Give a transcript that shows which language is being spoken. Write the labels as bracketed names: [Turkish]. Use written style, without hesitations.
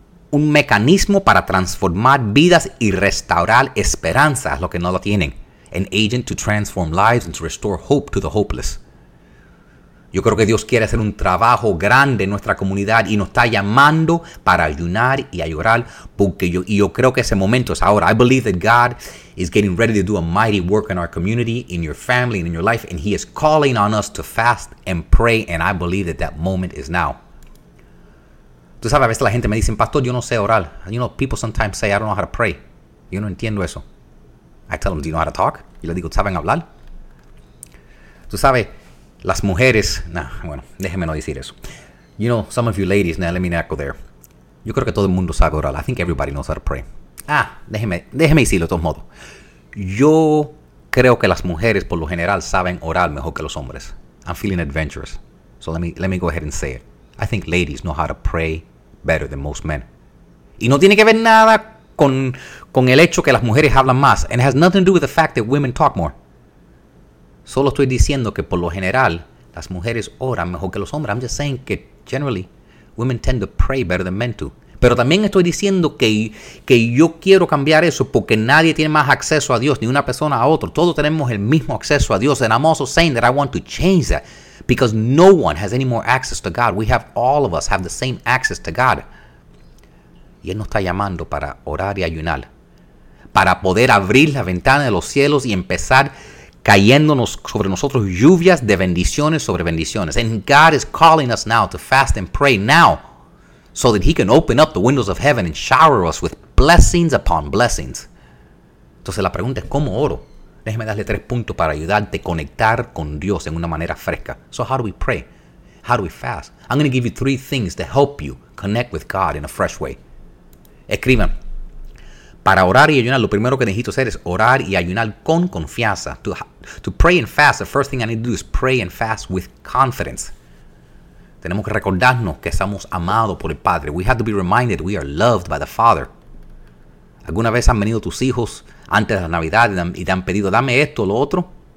[Spanish] Un mecanismo para transformar vidas y restaurar esperanzas a los que no lo tienen. [English] An agent to transform lives and to restore hope to the hopeless. [Spanish] Yo creo que Dios quiere hacer un trabajo grande en nuestra comunidad y nos está llamando para ayunar y a llorar. Porque yo creo que ese momento es ahora. [English] I believe that God is getting ready to do a mighty work in our community, in your family, and in your life. And He is calling on us to fast and pray. And I believe that that moment is now. [Spanish] Tú sabes, a veces la gente me dice, pastor, yo no sé orar. [English] You know, people sometimes say, I don't know how to pray. [Spanish] Yo no entiendo eso. [English] I tell them, do you know how to talk? [Spanish] Yo le digo, ¿saben hablar? Tú sabes, las mujeres, déjeme no decir eso. [English] You know, some of you ladies, now let me not go there. [Spanish] Yo creo que todo el mundo sabe orar. [English] I think everybody knows how to pray. [Spanish] Déjeme decirlo de todos modos. Yo creo que las mujeres, por lo general, saben orar mejor que los hombres. [English] I'm feeling adventurous. So let me go ahead and say it. I think ladies know how to pray better than most men. [Spanish] Y no tiene que ver nada con el hecho que las mujeres hablan más. [English] And it has nothing to do with the fact that women talk more. [Spanish] Solo estoy diciendo que por lo general, las mujeres oran mejor que los hombres. [English] I'm just saying [Spanish] que [English] generally, women tend to pray better than men do. [Spanish] Pero también estoy diciendo que yo quiero cambiar eso porque nadie tiene más acceso a Dios, ni una persona a otro. Todos tenemos el mismo acceso a Dios. [English] And I'm also saying that I want to change that. Because no one has any more access to God. We have, all of us have the same access to God. [Spanish] Y Él nos está llamando para orar y ayunar. Para poder abrir la ventana de los cielos y empezar cayéndonos sobre nosotros lluvias de bendiciones sobre bendiciones. [English] And God is calling us now to fast and pray now. So that He can open up the windows of heaven and shower us with blessings upon blessings. [Spanish] Entonces la pregunta es, ¿cómo oro? Déjeme darle tres puntos para ayudarte a conectar con Dios en una manera fresca. [English] So how do we pray? How do we fast? I'm going to give you three things to help you connect with God in a fresh way. [Spanish] Escriban. Para orar y ayunar, lo primero que necesito hacer es orar y ayunar con confianza. [English] To pray and fast, the first thing I need to do is pray and fast with confidence. [Spanish] Tenemos que recordarnos que somos amados por el Padre. [English] We have to be reminded we are loved by the Father. [Spanish] ¿Alguna vez han venido tus hijos antes de la Navidad y te han pedido, dame esto o lo otro?